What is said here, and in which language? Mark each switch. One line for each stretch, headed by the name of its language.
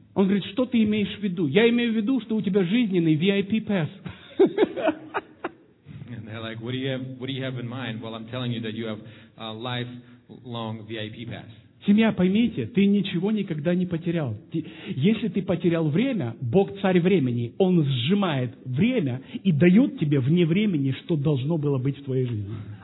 Russian: Он говорит, что ты имеешь в виду? Я имею в виду, что у тебя жизненный VIP pass.
English: And they're like, what do you have in mind? Well, I'm telling you that you have a lifelong VIP pass.
Russian: Семья, поймите, ты ничего никогда не потерял. Если ты потерял время, Бог царь времени, Он сжимает время и дает тебе вне времени, что должно было быть в твоей жизни.